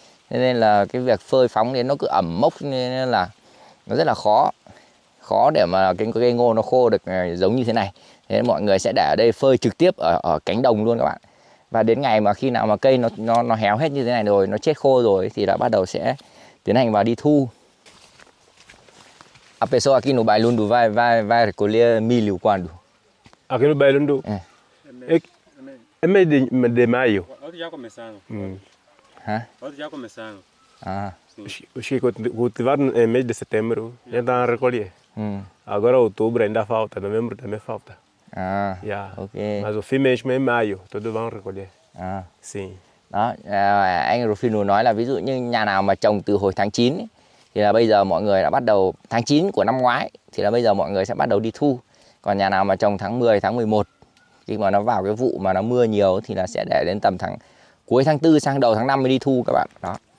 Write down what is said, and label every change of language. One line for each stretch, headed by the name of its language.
Vietnamese: Thế nên là cái việc phơi phóng thì nó cứ ẩm mốc nên là nó rất là khó. Khó để mà cái cây ngô nó khô được giống như thế này. Thế nên mọi người sẽ để ở đây phơi trực tiếp ở cánh đồng luôn các bạn. Và đến ngày mà khi nào mà cây nó héo hết như thế này rồi, nó chết khô rồi thì đã bắt đầu sẽ tiến hành vào đi thu.
Portuguese: A pessoa aqui no bairro do vai recolher milho quando? Aqui no bairro do é mês de maio. Onde já começando? Hã? Ah. Sim. O cultivar é mês de setembro, já está a recolher. Agora outubro ainda falta, novembro também falta. Ah. Yeah. Ok. Mas o fim mesmo é maio, todos vão recolher. Ah. Sim.
Vietnamese: Đó, anh Rufino nói là ví dụ như nhà nào mà trồng từ hồi tháng 9 ấy, thì là bây giờ mọi người đã bắt đầu, tháng 9 của năm ngoái thì là bây giờ mọi người sẽ bắt đầu đi thu. Còn nhà nào mà trồng tháng 10, tháng 11 khi mà nó vào cái vụ mà nó mưa nhiều thì là sẽ để đến tầm tháng cuối tháng 4 sang đầu tháng 5 mới đi thu các bạn. Đó.